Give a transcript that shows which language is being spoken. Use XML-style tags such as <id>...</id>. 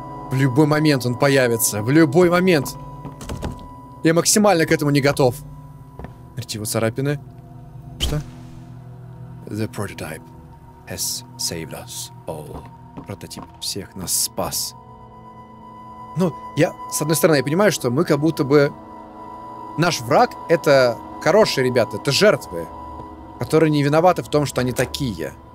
<ru>В любой момент он появится. В любой момент. Я максимально к этому не готов. Смотрите, его царапины. Что?</ru> <en>The prototype has saved us all.</en> <ru>Прототип всех нас спас. Ну, я, с одной стороны, я понимаю, что мы как будто бы... Наш враг — это хорошие ребята, это жертвы, которые не виноваты в том, что они такие.</ru>